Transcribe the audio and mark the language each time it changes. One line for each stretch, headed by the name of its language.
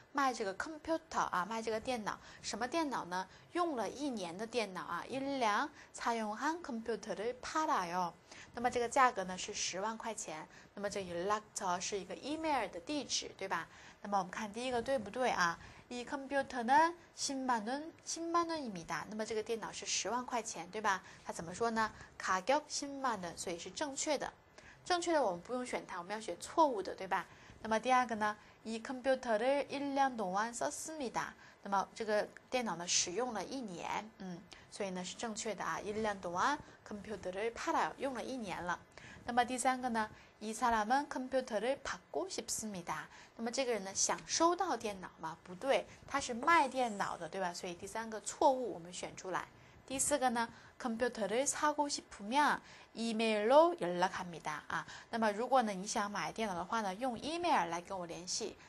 Chinese: 卖这个 computer 啊，卖这个电脑。什么电脑呢？用了一年的电脑啊。
Korean: 일량사용한컴퓨터를팔아요。
Chinese: 那么这个价格呢是10万块钱。那么这个연락처是一个 email 的地址，对吧？那么我们看第一个对不对啊？
Korean: 이컴퓨터는10만 원입니다。
Chinese: 那么这个电脑是10万块钱，对吧？它怎么说呢？
Korean: 가격10만 원，
Chinese: 所以是正确的。正确的我们不用选它，我们要选错误的，对吧？那么第二个呢？
Korean: 이컴퓨터를일년동안썼습니다。
Chinese: 那么这个电脑呢，使用了一年，所以呢是正确的啊。
Korean: 일년동안컴퓨터를팔아요，
Chinese: 用了一年了。那么第三个呢？
Korean: 이사람은컴퓨터를바꾸싶습니다。
Chinese: 那么这个人呢，想收到电脑吗？不对，他是卖电脑的，对吧？所以第三个错误我们选出来。第四个呢，
Korean: 컴퓨터를사고싶으면이메일로연락합니다
Chinese: 啊。那么如果呢你想买电脑的话呢，用 email 来跟我联系。